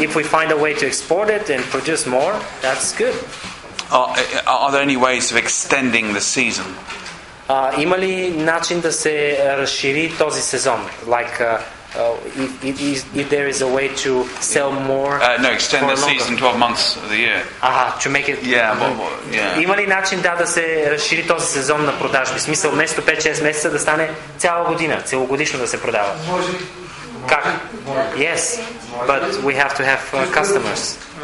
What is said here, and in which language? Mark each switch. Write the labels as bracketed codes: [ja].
[en] If we find a way to export it and produce more, that's good. Are there any ways of extending the season? [bg] Има ли начин да се разшири този сезон? [en] Like if there is a way to sell more extend the season 12 months of the year. Aha, to make it [bg] има ли начин да се разшири този сезон на продажби? В смисъл вместо 5-6 месеца да стане цяла година, целогодишно да се продава. Може. Как? [en] Yes. But we have to have customers.